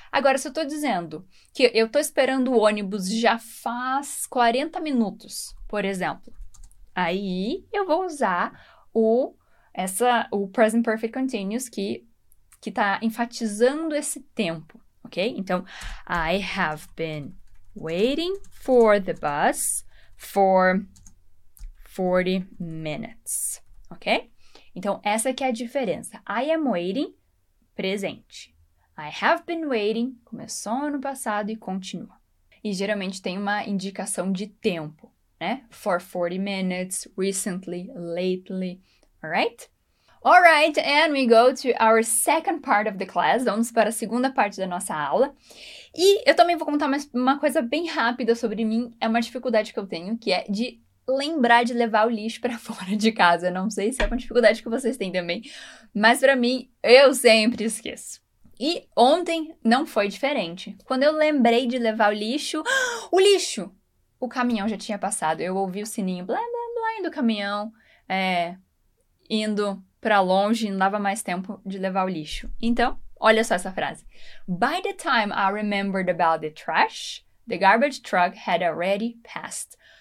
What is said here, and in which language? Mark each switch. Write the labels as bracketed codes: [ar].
[pt] Agora, se eu tô dizendo que eu tô esperando o ônibus já faz 40 minutos, por exemplo, aí eu vou usar o present perfect continuous que está enfatizando esse tempo, ok? [en] Então, I have been waiting for the bus for 40 minutes, ok? [pt] Então, essa que é a diferença. [en] I am waiting, [pt] presente. [en] I have been waiting, [pt] começou no passado e continua. E geralmente tem uma indicação de tempo, né? [en] For 40 minutes, recently, lately, all right? All right, and we go to our second part of the class. [pt] Vamos para a segunda parte da nossa aula. E eu também vou contar uma coisa bem rápida sobre mim. É uma dificuldade que eu tenho, que é de lembrar de levar o lixo para fora de casa. Não sei se é uma dificuldade que vocês têm também, mas para mim, eu sempre esqueço. E ontem não foi diferente. Quando eu lembrei de levar o lixo, o lixo! O caminhão já tinha passado. Eu ouvi o sininho blá, blá, blá do caminhão indo para longe, não dava mais tempo de levar o lixo. Então, olha só essa frase. [en] By the time I remembered about the trash, the garbage truck had already passed.